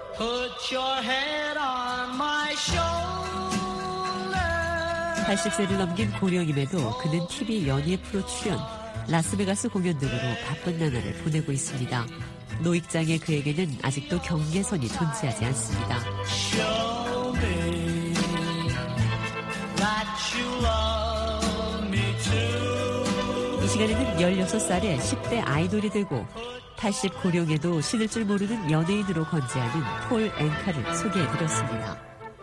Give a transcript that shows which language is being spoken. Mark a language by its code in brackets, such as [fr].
[en] Put your head on my shoulder. [ko] 80세를 넘긴 고령임에도 그는 TV 연예 프로 출연, 라스베가스 공연 등으로 바쁜 나날을 보내고 있습니다. 노익장의 그에게는 아직도 경계선이 존재하지 않습니다. [en] Show me that you love me too. [ko] 이 시간에는 16살의 10대 아이돌이 되고 80 고령에도 신을 줄 모르는 연예인으로 건재하는 폴 앵카를 소개해드렸습니다.